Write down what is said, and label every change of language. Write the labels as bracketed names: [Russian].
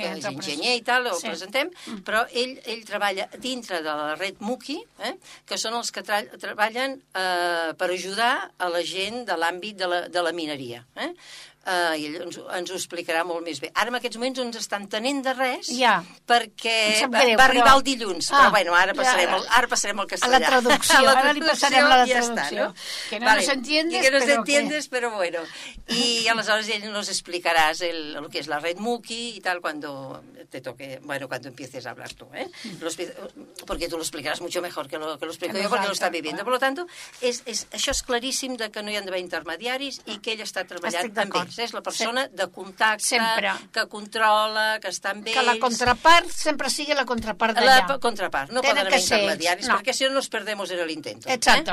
[Catalan] que és enginyer i tal, el presentem. Però ell treballa dintre de la Red Muki, que són els que treballen per ajudar a la gent de l'àmbit de la mineria. I ell ens ho explicarà molt més bé. Ara, en aquests moments, ens estan tenent de res perquè va arribar el dilluns. Ah, però, bueno, ara passarem al castellà. A la traducció. Ara li passarem la traducció. Ja està, no? [Spanish] Que no nos entiendes, que nos entiendes, [Catalan] però bueno. I aleshores ell nos explicaràs el que és la Red Muki i tal, [Spanish] cuando te toque, bueno, cuando empieces a hablar tú, Porque tú lo explicarás mucho mejor que lo explico yo, porque lo está viviendo. Por lo tanto, [Catalan] això és claríssim de que no hi han d'haver intermediaris i que ell està treballant també. És la persona de contacte, sempre. Que controla, que està amb ells. Que la contrapart sempre sigui la contrapart d'allà. La contrapart, no poden haver intermediaris, perquè si no [Spanish] nos perdemos en el intento. [Catalan] Exacte.